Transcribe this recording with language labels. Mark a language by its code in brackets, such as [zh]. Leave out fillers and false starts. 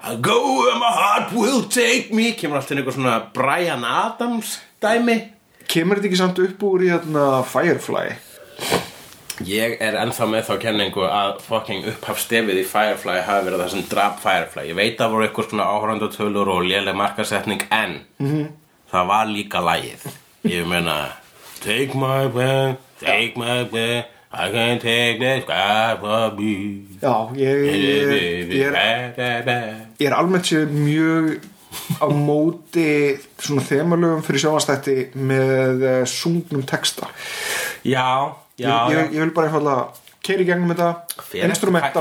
[en] I'll go where my heart will take me. [is] Kemur alltaf einhver svona Brian Adams dæmi. Kemur þetta ekki samt upp úr í þarna Firefly? Ég ennþá með þá kenningu að fucking upphaf stefið í Firefly hafi verið það sem drap Firefly. Ég veit að voru eitthvað svona áhorfendatölur og léleg markasetning en það var líka lagið. Ég meina [en] take my breath, take my breath. I can't take this guy for me. [is] Já, ég er almennt sér mjög á móti svona þemalögum fyrir sjónvarpsþætti með sungnum texta. Já. Ég vil bara einfalda keiri gegnum þetta, instrumentar.